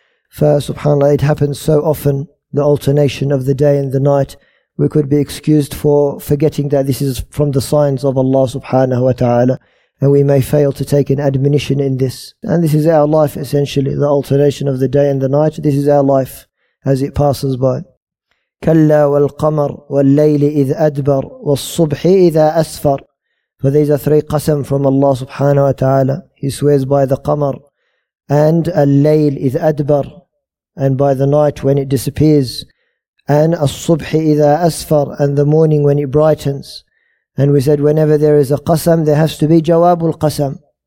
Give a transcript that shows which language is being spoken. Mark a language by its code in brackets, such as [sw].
[en] For subhanAllah, it happens so often, the alternation of the day and the night. We could be excused for forgetting that this is from the signs of Allah subhanahu wa ta'ala. And we may fail to take an admonition in this. And this is our life essentially, the alternation of the day and the night. This is our life as it passes by. [ar] كلا والقمر والليل إذ أدبر والصبح إذا أسفر. [en] For these are three qasam from Allah subhanahu wa ta'ala. He swears by the qamar and al-layl [ar] إذ أدبر, [en] and by the night when it disappears, and [ar] الصبح إذا أسفر, [en] and the morning when it brightens. And we said whenever there is a qasam, there has to be jawab al-qasam.